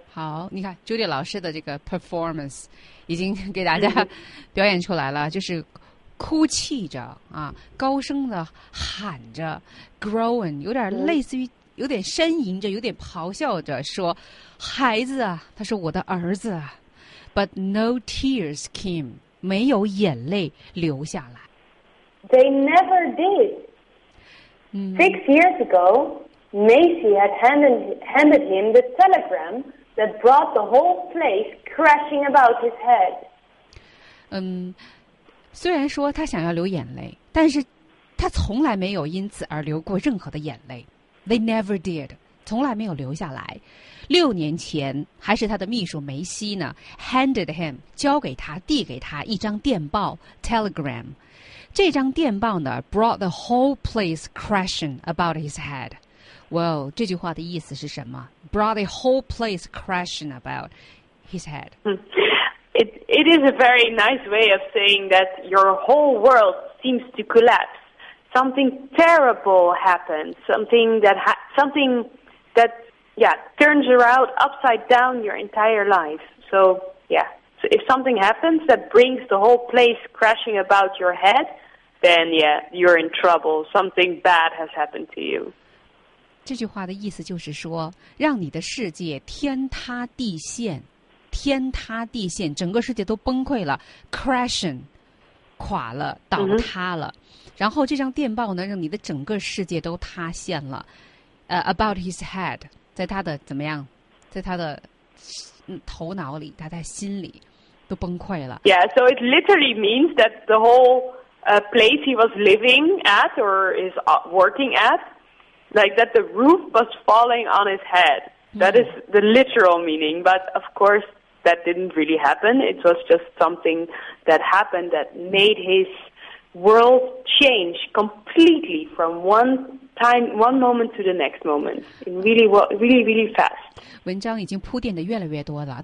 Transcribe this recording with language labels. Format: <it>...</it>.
<zh>好，你看 Judy 老师的这个 performance 已经给大家表演出来了，就是哭泣着啊，高声的喊着 groan， 有点类似于有点呻吟着，有点咆哮着说孩子啊，他说我的儿子啊，</zh> <en>but no tears came，</en> <zh>没有眼泪流下来。</zh> <en>They never did. Six years ago, Macy had handed him the telegramthat brought the whole place crashing about his head.</en> <zh>虽然说他想要流眼泪，但是他从来没有因此而流过任何的眼泪。</zh> <en>They never did.</en> <zh>从来没有流下来。六年前，还是他的秘书梅西呢</zh> <en>handed him,</en> <zh>交给他，递给他一张电报 telegram. 这张电报呢</zh> <en>brought the whole place crashing about his head. Well,</en> <zh>这句话的意思是什么</zh> <en>？Brought the whole place crashing about his head. It is a very nice way of saying that your whole world seems to collapse. Something terrible happens. Something that turns around upside down your entire life. So, yeah. So if something happens that brings the whole place crashing about your head, then yeah, you're in trouble. Something bad has happened to you.</en> <zh>这句话的意思就是说，让你的世界天塌地陷，天塌地陷，整个世界都崩溃了 ，crashing， 垮了，倒塌了。 Mm-hmm. 然后这张电报呢，让你的整个世界都塌陷了。</zh> <en>About his head，</en> <zh>在他的怎么样，在他的头脑里，他在心里都崩溃了。</zh> <en>Yeah, so it literally means that the whole place he was living at or is working at. Like that the roof was falling on his head. That is the literal meaning. But of course, that didn't really happen. It was just something that happened that made his world change completely from one time, one moment to the next moment. Really, really, really fast.</en> <zh>文章已经铺垫的越来越多了。</zh>